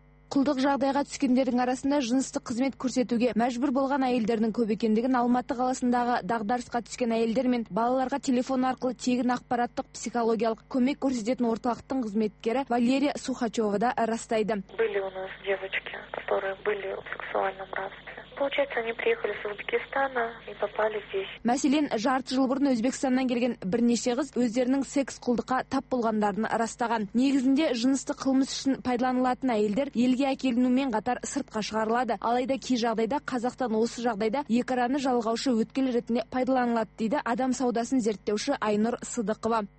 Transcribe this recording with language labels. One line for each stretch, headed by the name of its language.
Kazakh: Құлдық жағдайға түскендердің арасында жыныстық қызмет көрсетуге мәжбүр болған әйелдердің көп екендігін Алматы қаласындағы дағдарысқа түскен әйелдер мен балаларға телефон арқылы тегін ақпараттық психологиялық көмек көрсететін орталықтың қызметкері Валерия Сухачева да растайды.
Russian: Были у нас девочки, которые были в сексуальном рабстве. Получается, они приехали с Узбекистана и попали здесь.
Kazakh: Мәселен, жарты жыл бұрын Өзбекстаннан келген бірнеше қыз өздерінің секс құлдыққа тап болғандарын растаған. Негізінде жыныстық қылмыс үшін пайдаланылатын әйелдер елге әкелінумен қатар сыртқа шығарылады. Алайда кей жағдайда Қазақстан осы жағдайда екіраны жалғаушы өткел ретінде пайдаланылады дейді адам саудасын зерттеуші Айнұр Сыдықова.